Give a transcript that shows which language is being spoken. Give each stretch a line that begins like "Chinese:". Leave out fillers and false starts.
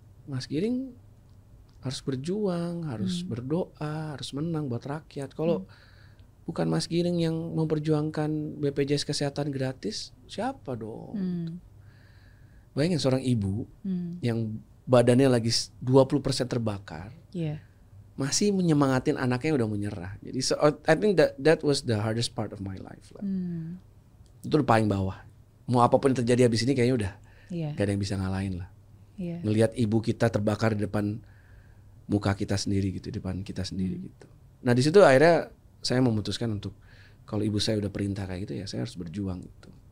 Indonesian: Mas Giring harus berjuang, harus berdoa, harus menang buat rakyat. Kalau bukan Mas Giring yang memperjuangkan BPJS kesehatan gratis, siapa dong? Bayangin seorang ibu yang badannya lagi 20% terbakar, masih menyemangatin anaknya yang udah menyerah.
English: Jadi so, I think that was the hardest part of my life lah.
Indonesian: Itu paling bawah. Mau apapun terjadi habis ini kayaknya udah gak ada yang bisa ngalahin lah. Melihat ibu kita terbakar di depan muka kita sendiri gitu, di depan kita sendiri gitu. Nah di situ akhirnya saya memutuskan untuk kalau ibu saya udah perintah kayak gitu ya saya harus berjuang gitu.